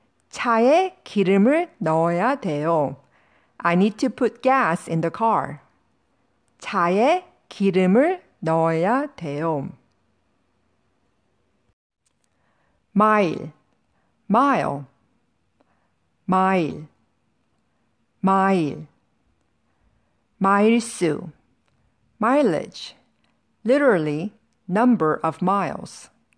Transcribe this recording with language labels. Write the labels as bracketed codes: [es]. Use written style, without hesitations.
[ko] 차에 기름을 넣어야 돼요. [en] I need to put gas in the car. [ko] 차에 기름을 넣어야 돼요. [en] Mile, mile, mile, mile. 마일수, mileage, literally number of miles.